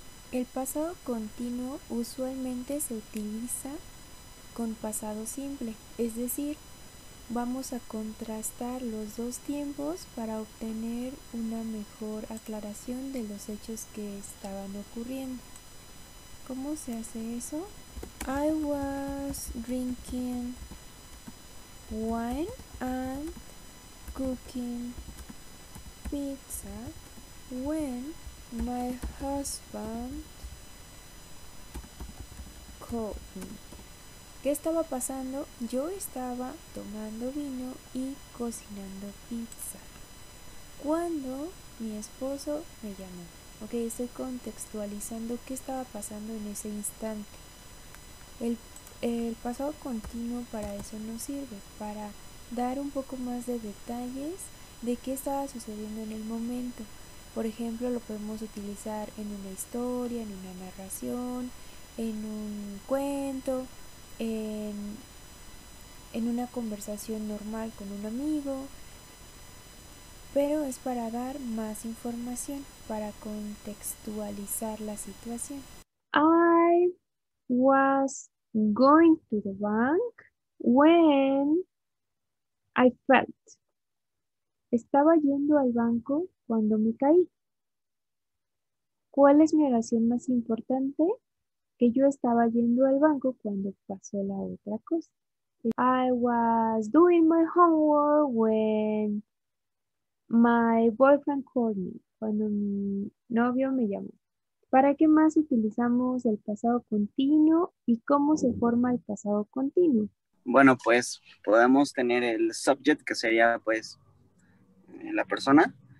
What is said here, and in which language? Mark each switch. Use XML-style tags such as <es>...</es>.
<es>El pasado continuo usualmente se utiliza con pasado simple, es decir, vamos a contrastar los dos tiempos para obtener una mejor aclaración de los hechos que estaban ocurriendo. ¿Cómo se hace eso?</es> <en>I was drinking wine and cooking pizza when my husband called me.</en> <es>¿Qué estaba pasando? Yo estaba tomando vino y cocinando pizza cuando mi esposo me llamó. Ok, estoy contextualizando qué estaba pasando en ese instante. El pasado continuo para eso nos sirve, para dar un poco más de detalles de qué estaba sucediendo en el momento. Por ejemplo, lo podemos utilizar en una historia, en una narración, en un cuento, en una conversación normal con un amigo. Pero es para dar más información, para contextualizar la situación.</es> <en>I was going to the bank when I felt.</en> <es>Estaba yendo al banco cuando me caí. ¿Cuál es mi oración más importante? Que yo estaba yendo al banco cuando pasó la otra cosa.</es> <en>I was doing my homework when my boyfriend called me.</en> <es>Cuando mi novio me llamó. ¿Para qué más utilizamos el pasado continuo y cómo se forma el pasado continuo? Bueno, pues podemos tener el subject, que sería pues la persona.</es>